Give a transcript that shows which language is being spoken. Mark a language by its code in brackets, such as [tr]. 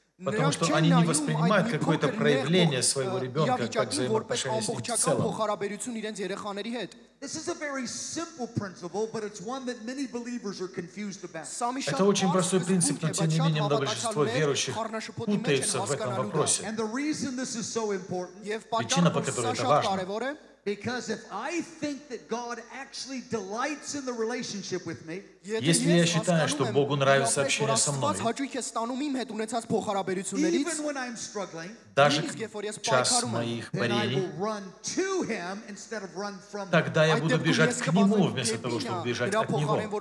[ru] Потому что они не воспринимают какое-то проявление своего ребенка как взаимоотношения с ним в целом. Это очень простой принцип, но тем не менее много большинство верующих путаются в этом вопросе. Причина, по которой это важно, [en] because if I think that God actually delights in the relationship with me, [ru] если я считаю, что Богу нравится общение со мной, [en] even when I'm struggling, [ru] даже в час моих борений, тогда я буду бежать к Нему, вместо того, чтобы бежать от Него.